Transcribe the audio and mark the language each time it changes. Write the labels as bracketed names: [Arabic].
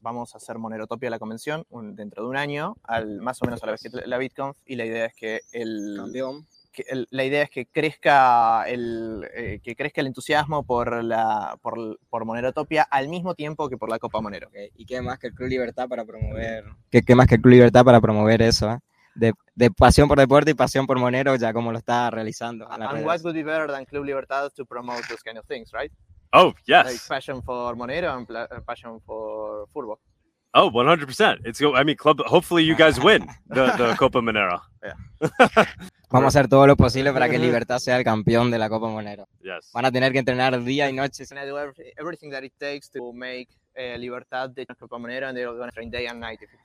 [Spanish] Vamos a hacer Monerotopia la convención dentro de un año, más o menos a la vez que la BitConf, y la idea es que crezca el entusiasmo por Monerotopia al mismo tiempo que por la Copa Monero. [English] Okay. [Spanish] ¿Y qué más que el Club Libertad para promover? ¿Qué más que el Club Libertad para promover eso? De pasión por deporte y pasión por Monero, ya como lo está realizando. [English] And what would be better than Club Libertad to promote those kind of things, right? Oh, yes. Like passion for Monero and passion for football. Oh, 100%. Hopefully you guys win the Copa Monero. Yeah. [Spanish] Vamos a hacer todo lo posible para que Libertad sea el campeón de la Copa Monero. [English] Yes. [Spanish] Van a tener que entrenar día y noche. [English] I'm going to do everything that it takes to make Libertad the Copa Monero, and they're going to train day and night.